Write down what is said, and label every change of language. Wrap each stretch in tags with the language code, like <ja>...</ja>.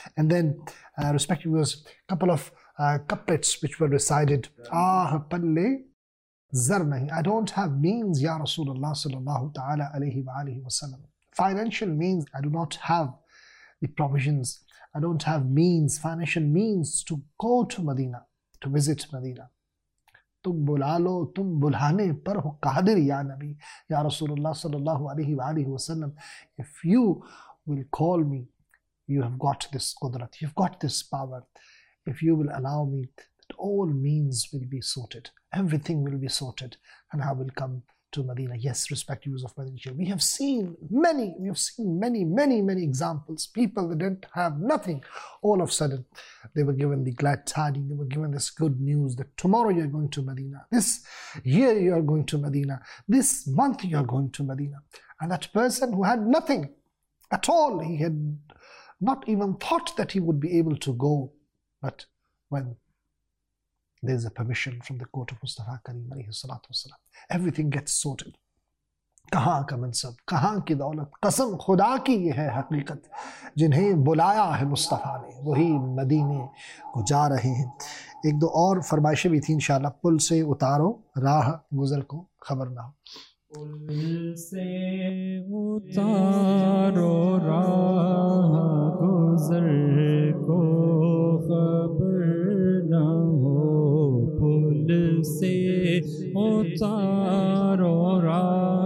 <en>And then, respecting those couple of couplets which were recited, Ah, Palle Zarmahi, I don't have means,</en> <ar>Ya Rasulullah sallallahu ta'ala alayhi wa alayhi wa sallam.</ar> <en>Financial means, I do not have the provisions, I don't have means, financial means to go to Medina, to visit Medina.</en> <ur>تم بلا لو تم بلانے پر ہو قادر یا نبی یا رسول اللہ صلی اللہ علیہ وآلہ وسلم.</ur> <en>If you will call me, you have got this قدرت, you've got this power. If you will allow me, that all means will be sorted, everything will be sorted, and I will come to Medina. Yes, respect use of Medina. We have seen many, many examples. People that didn't have nothing, all of a sudden, they were given the glad tidings, they were given this good news that tomorrow you're going to Medina, this year you're going to Medina, this month you're going to Medina. And that person who had nothing at all, he had not even thought that he would be able to go, but when there's a permission from the court of Mustafa Kareem</en> <ar>alayhi salatu wasalam,</ar> <en>everything gets sorted.</en> <ur>کہاں کا منصب, کہاں کی دولت, قسم خدا کی یہ ہے حقیقت, جنہیں بلایا ہے مصطفیٰ نے وہی مدینے کو جا رہے ہیں. ایک دو اور فرمائشیں بھی تھیں, انشاءاللہ. پل سے اتارو راہ گزر کو خبر نہ ہو, پل سے اتارو راہ گزر کو خبر نہ ہو, پل سے اتارو راہ</ur>